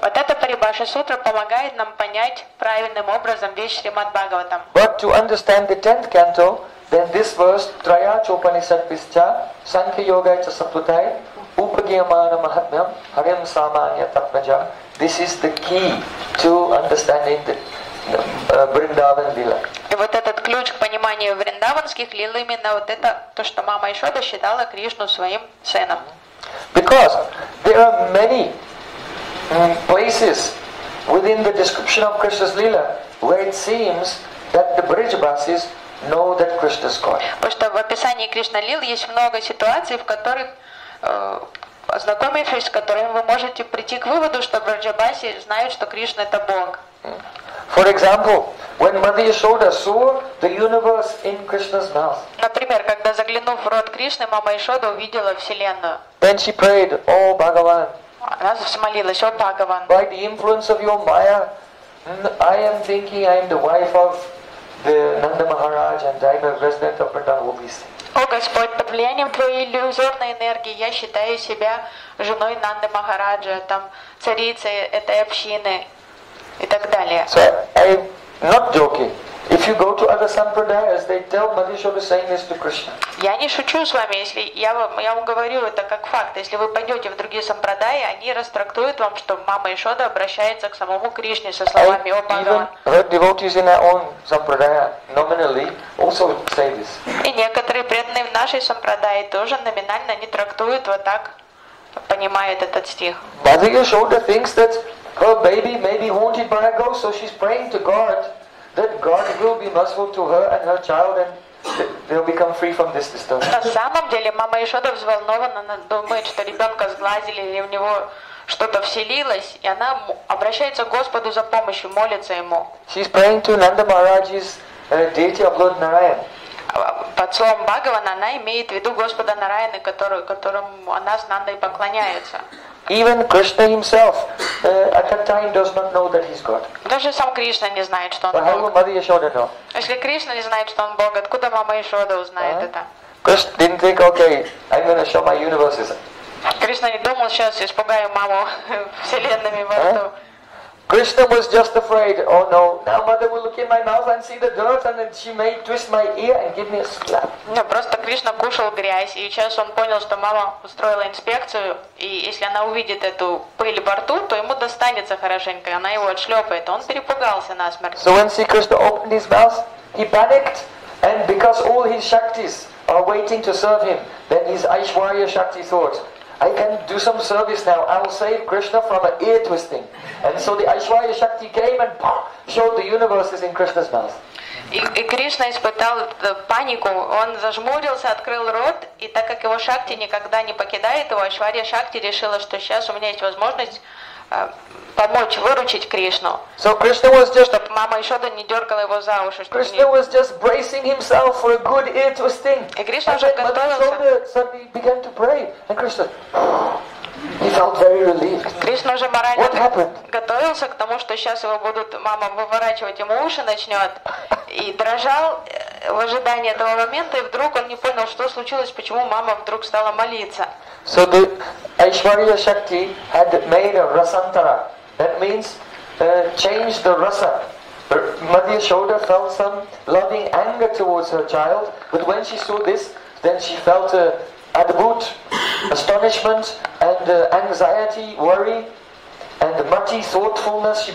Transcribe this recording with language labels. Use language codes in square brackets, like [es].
[ru] Вот эта Парибаша Сутра помогает нам понять правильным образом весь Шримад Бхагаватам. [en] But to understand the 10th canto, then this verse, [sa] Traya Chopanishad Pischa, Sankhya Yoga Cha Samputai, Upagyamana Mahatmyam, Haryam Samanya Tatmaja. [en] This is the key to understanding the Vrindavan Lila. [ru] И вот этот ключ к пониманию вриндаванских лил именно вот это то, что мама Ишода считала Кришну своим сыном. [en] Because there are many places within the description of Krishna's Lila where it seems that the Brijabasis know that Krishna is God. [ru] Потому что в описании Кришна лил есть много ситуаций, в которых ознакомившись, с которым вы можете прийти к выводу, что Браджабаси знают, что Кришна это Бог. [en] For example, when Mother Yashoda saw the universe in Krishna's mouth. [ru] Например, когда заглянув в рот Кришны, мама Ишода увидела вселенную. [en] Then she prayed, O Bhagavan. [ru] Она взмолилась, О Бхагаван. [en] By the influence of your Maya, I am thinking I am the wife of the Nanda Maharaj and I am a resident of Vrindavan. [ru] О Господь, под влиянием твоей иллюзорной энергии я считаю себя женой Нанды Махараджа, там царицей этой общины и так далее. [en] So I'm not joking. If you go to other sampradayas, they tell Mother Yashoda saying this to Krishna. [ru] Я не шучу с вами, если я вам говорю это как факт. Если вы пойдете в другие сампрадаи, они растрактуют вам, что мама Ишода обращается к самому Кришне со словами О Бхагаван. [en] Even her devotees in their own sampradaya nominally also say this. [ru] И некоторые преданные в нашей сампрадае тоже номинально не трактуют вот так, понимают этот стих. [en] Mother Yashoda thinks that her baby may be haunted by a ghost, so she's praying to God. That God will be merciful to her and her child, and they'll become free from this disturbance. [ru] На самом деле, мама Ишода взволнована, она думает, что ребенка сглазили или в него что-то вселилось, и она обращается к Господу за помощью, молится ему. [en] She's praying to Nanda Maharaj's deity of Lord Narayan. [ru] Под словом Бхагавана она имеет в виду Господа Нараяны, которому она с Нандой поклоняется. [en] Even Krishna himself at that time does not know that he's God. [ru] Даже сам Кришна не знает, что он Бог. [en] But how Mother Yashoda know? [ru] Если Кришна не знает, что он Бог, откуда мама Ишода узнает это? [en] Krishna didn't think, okay, I'm going to show my universes. [ru] Кришна не думал, сейчас испугаю маму вселенными во рту. [en] Krishna was just afraid, oh no, now mother will look in my mouth and see the dirt and then she may twist my ear and give me a slap. [ru] No, просто Кришна кушал грязь, и сейчас он понял, что мама устроила инспекцию, и если она увидит эту пыль во рту, то ему достанется хорошенько, она его отшлепает. Он перепугался насмерть. [en] So when Krishna opened his mouth, he panicked, and because all his Shaktis are waiting to serve him, then his Aishwarya Shakti thought, I can do some service now. I will save Krishna from an ear twisting. And so the Aishwarya Shakti came and showed the universes in Krishna's mouth. [ru] И Кришна испытал панику. Он зажмурился, открыл рот, и так как его Шакти никогда не покидает его, Aishwarya Shakti решила, что сейчас у меня есть возможность помочь выручить Кришну. [en] So Krishna was just [ru] чтобы мама Ишода не дергала его за уши. [en] Krishna was just bracing himself for a good ear twisting. [ru] И Кришна уже готовился. [en] Mother Ishoda suddenly began to pray, and Krishna, he He felt very relieved. [ru] Кришна уже морально готовился к тому, что сейчас его будут мама выворачивать, ему уши начнет, и дрожал в ожидании этого момента, и вдруг он не понял, что случилось, почему мама вдруг стала молиться. [en] So the Aishwarya Shakti had made a rasantara. That means change the rasa. Madhya Yashoda felt some loving anger towards her child, but when she saw this, then she felt a adbhut, astonishment and anxiety, worry, and mati thoughtfulness.